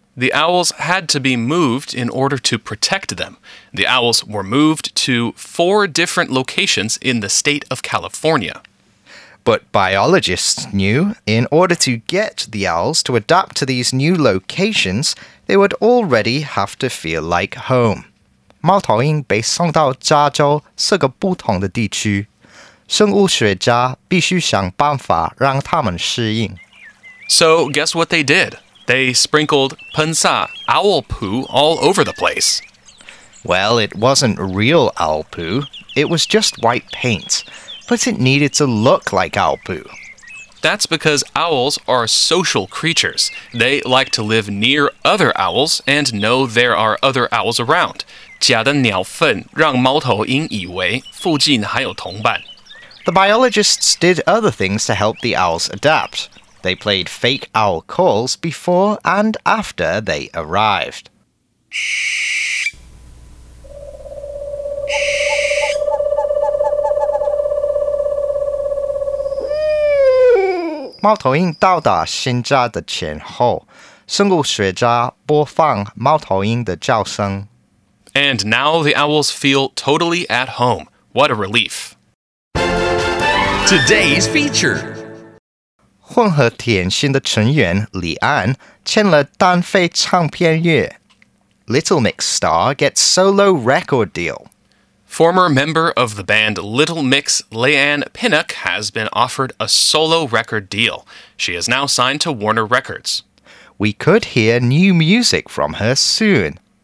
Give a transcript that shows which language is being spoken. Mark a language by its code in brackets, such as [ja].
[en] The owls had to be moved in order to protect them. The owls were moved to 4 different locations in the state of California. But biologists knew in order to get the owls to adapt to these new locations, they would already have to feel like home. [zh] 猫头鹰被送到加州四个不同的地区。生物学家必须想办法让它们适应。 [en] So, guess what they did? They sprinkled 喷洒 owl poo all over the place. Well, it wasn't real owl poo. It was just white paint. But it needed to look like owl poo. That's because owls are social creatures. They like to live near other owls and know there are other owls around. [zh] 假的鸟粪让猫头鹰以为附近还有同伴。 [en] The biologists did other things to help the owls adapt. They played fake owl calls before and after they arrived. [zh] Mao Toying 到达新家的前后，生物学家播放猫头鹰的叫声。 [en] And now the owls feel totally at home. What a relief. Today's feature. [zh] 混合甜心的成员李安签了单飞唱片约。 [en] Little Mix star gets solo record deal. Former member of the band Little Mix, Leanne Pinnock, has been offered a solo record deal. She is now signed to Warner Records. We could hear new music from her soon.